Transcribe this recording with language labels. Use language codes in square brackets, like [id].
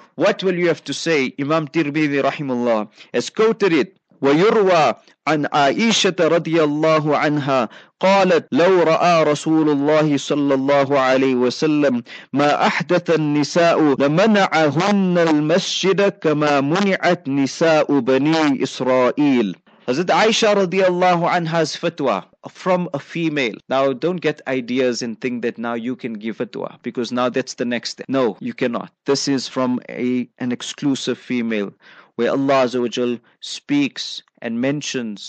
[en] What will you have to say? Imam Tirmidhi rahimullah has quoted it. [ar] ويروى عن عائشة رضي الله عنها قالت لو رأى رسول الله صلى الله عليه وسلم ما أحدث النساء لمنعهن المسجد كما منعت نساء بني إسرائيل. [en] Hazrat Aisha radiallahu anha's fatwa from a female. Now, don't get ideas and think that now you can give fatwa, because now that's the next step. No, you cannot. This is from an exclusive female, where Allah Azza wa Jal speaks and mentions.